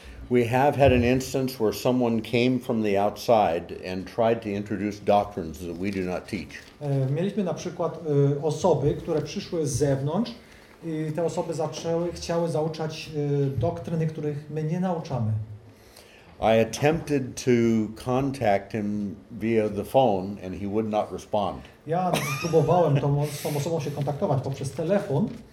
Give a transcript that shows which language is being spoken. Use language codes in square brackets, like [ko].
[en] We have had an instance where someone came from the outside and tried to introduce doctrines that we do not teach. [pl] Mieliśmy na przykład osoby, które przyszły z zewnątrz i te osoby chciały nauczać doktryny, których my nie nauczamy. [en] I attempted to contact him via the phone and he would not respond. [pl] Ja próbowałem tą osobą się kontaktować poprzez telefon.